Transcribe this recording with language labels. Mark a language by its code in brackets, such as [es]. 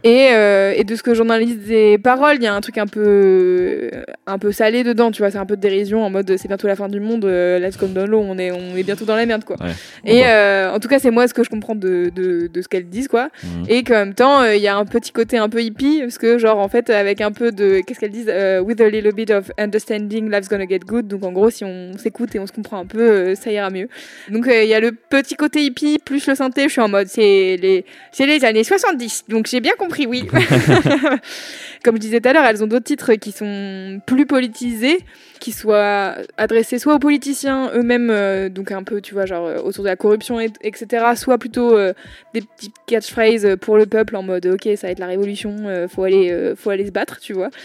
[fr] Et de ce que j'analyse des paroles, il y a un truc un peu salé dedans, tu vois, c'est un peu de dérision en mode c'est bientôt la fin du monde, [en] let's go down low, [fr] on est bientôt dans la merde, quoi. Ouais. Et en tout cas, c'est moi ce que je comprends de ce qu'elles disent, quoi. Mmh. Et qu'en même temps, il y a un petit côté un peu hippie, parce que genre en fait, avec un peu de. Qu'est-ce qu'elles disent? [en] With a little bit of understanding, life's gonna get good. [fr] Donc en gros, si on s'écoute et on se comprend un peu, ça ira mieux. Donc il y a le petit côté hippie plus le je suis en mode c'est les années 70, donc j'ai bien compris, oui. Comme je disais tout à l'heure, elles ont d'autres titres qui sont plus politisés, qui soient adressés soit aux politiciens eux-mêmes, donc un peu, tu vois, genre autour de la corruption, etc., soit plutôt des petites catchphrases pour le peuple en mode OK, ça va être la révolution, faut aller se battre, tu vois.